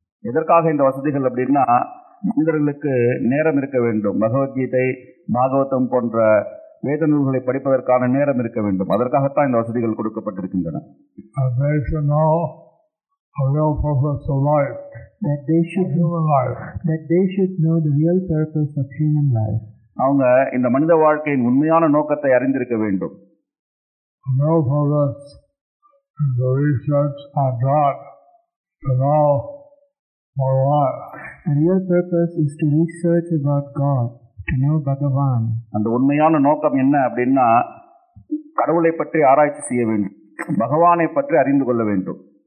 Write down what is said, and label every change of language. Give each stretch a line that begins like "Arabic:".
Tamil: எதற்காக இந்த வசதிகள் அப்படின்னா மனிதர்களுக்கு நேரம் இருக்க வேண்டும், பகவத்கீதை பாகவதம் போன்ற வேத நூல்களை படிப்பதற்கான நேரம் இருக்க வேண்டும், அதற்காகத்தான் இந்த வசதிகள் கொடுக்கப்பட்டிருக்கின்றன. அவங்க இந்த மனித வாழ்க்கையின் உண்மையான நோக்கத்தை அறிந்திருக்க வேண்டும்.
English: No progress in the research on God to know more about. The real purpose is to research about God, to know Bhagavan.
Tamil: அந்த உண்மையான நோக்கம் என்ன அப்படின்னா கடவுளை பற்றி ஆராய்ச்சி செய்ய வேண்டும், பகவானை பற்றி அறிந்து கொள்ள வேண்டும்.